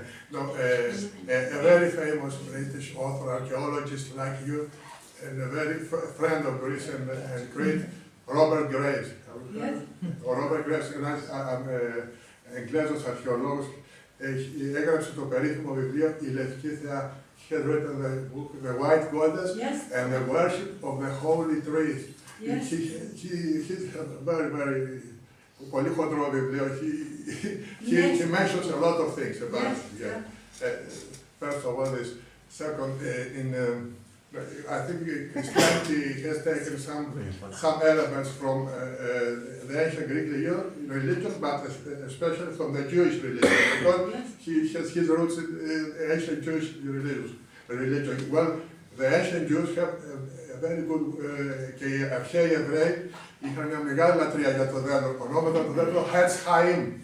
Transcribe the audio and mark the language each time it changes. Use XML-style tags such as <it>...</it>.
<en>No, a very famous British author, archaeologist like you, and a very friend of Greece and Crete, Robert Graves. Yes.</en> <el>Robert Graves, ένα Εγγλέζος αρχαιολόγος, έγραψε το περίφημο βιβλίο «Η Λευκή Θεά».</el> <en>He had written the book «The White Goddess» yes. and «The Worship of the Holy Trees». Yes. He had a very, very...</en> <el>πολύ χοντρό βιβλίο.</el> <en>He mentions a lot of things about yes, yeah. First of all, this second in I think Christianity has taken some elements from the ancient Greek religion, but especially from the Jewish religion, because yes. he has his roots in ancient Jewish religion. Well, the ancient Jews have a very good</en> <el>και οι αρχαίοι Εβραίοι είχαν μια μεγάλη λατρεία για το δέντρο, ονόματα του δέντρο Hetz Chaim.</el>